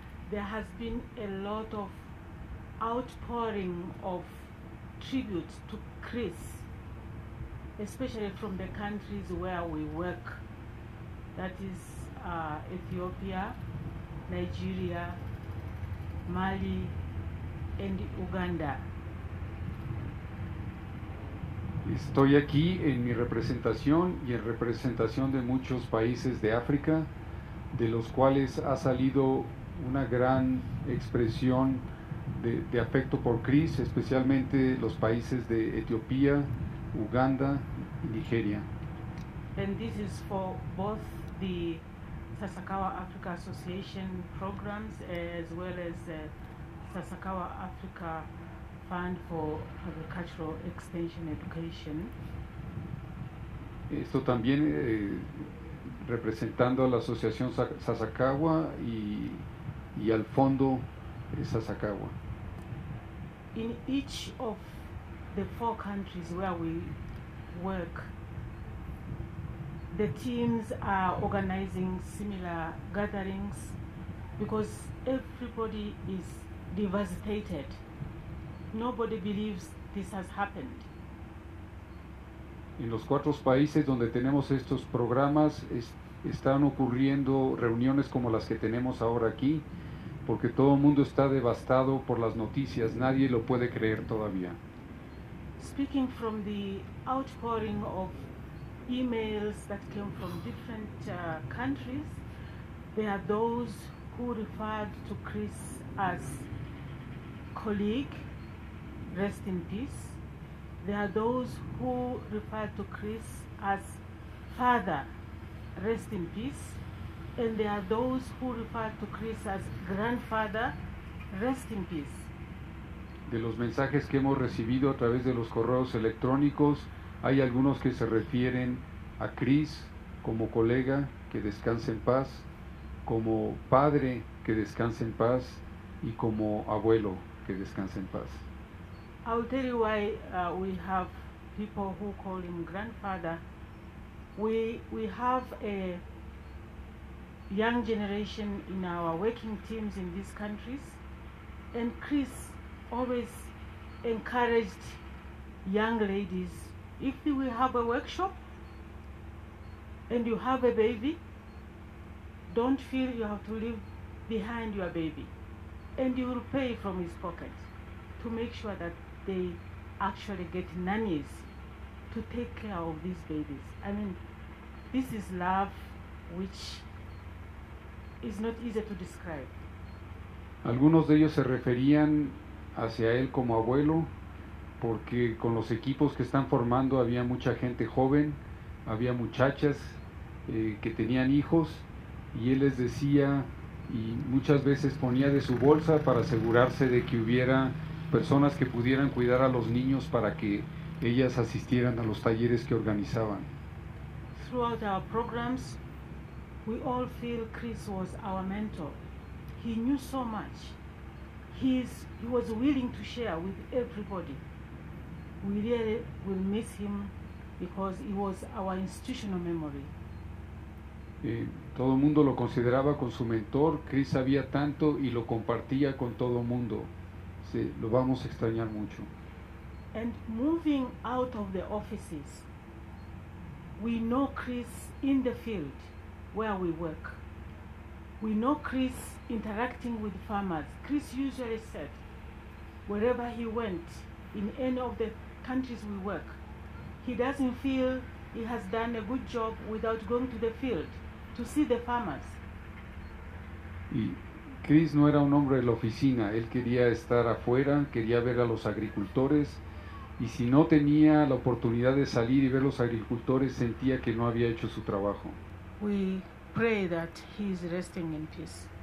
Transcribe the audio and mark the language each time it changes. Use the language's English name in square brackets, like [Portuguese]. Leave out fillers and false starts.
[English] There has been a lot of outpouring of tribute to Chris, especially from the countries where we work, that is Ethiopia, Nigeria, Mali, and Uganda. [Spanish] Estoy aquí en mi representación y en representación de muchos países de África, de los cuales ha salido una gran expresión de afecto por Chris, especialmente los países de Etiopía, Uganda y Nigeria. [English] And this is for both the Sasakawa Africa Association programs as well as the Sasakawa Africa Fund for Agricultural Extension Education. [Spanish] Esto también representando a la Asociación Sasakawa y al Fondo Sasakawa. [English] In each of the four countries where we work, the teams are organizing similar gatherings because everybody is devastated. Nobody believes this has happened. [Spanish] En los cuatro países donde tenemos estos programas están ocurriendo reuniones como las que tenemos ahora aquí, porque todo el mundo está devastado por las noticias. Nadie lo puede creer todavía. [English] Speaking from the outpouring of emails that came from different countries, there are those who referred to Chris as colleague. Rest in peace. There are those who refer to Chris as father, rest in peace. And there are those who refer to Chris as grandfather, rest in peace. [Spanish] De los mensajes que hemos recibido a través de los correos electrónicos, hay algunos que se refieren a Chris como colega, que descanse en paz, como padre, que descanse en paz, y como abuelo, que descanse en paz. [English] I'll tell you why we have people who call him grandfather. We have a young generation in our working teams in these countries, and Chris always encouraged young ladies, if we have a workshop and you have a baby, don't feel you have to leave behind your baby, and you will pay from his pocket to make sure that they actually get nannies to take care of these babies. I mean, this is love which is not easy to describe. [Spanish] Algunos de ellos se referían hacia él como abuelo, porque con los equipos que están formando había mucha gente joven, había muchachas que tenían hijos, y él les decía y muchas veces ponía de su bolsa para asegurarse de que hubiera personas que pudieran cuidar a los niños para que ellas asistieran a los talleres que organizaban. [English] Throughout our programs, we all feel Chris was our mentor. He knew so much. He was willing to share with everybody. We really will miss him because he was our institutional memory. [Spanish] Todo el mundo lo consideraba como su mentor. Chris sabía tanto y lo compartía con todo el mundo. Sí, lo vamos a extrañar mucho. [English] And moving out of the offices, we know Chris in the field where we work. We know Chris interacting with farmers. Chris usually said, wherever he went, in any of the countries we work, he doesn't feel he has done a good job without going to the field to see the farmers. [Spanish] Y Chris no era un hombre de la oficina, él quería estar afuera, quería ver a los agricultores, y si no tenía la oportunidad de salir y ver los agricultores, sentía que no había hecho su trabajo. [English] We pray that he is resting in peace.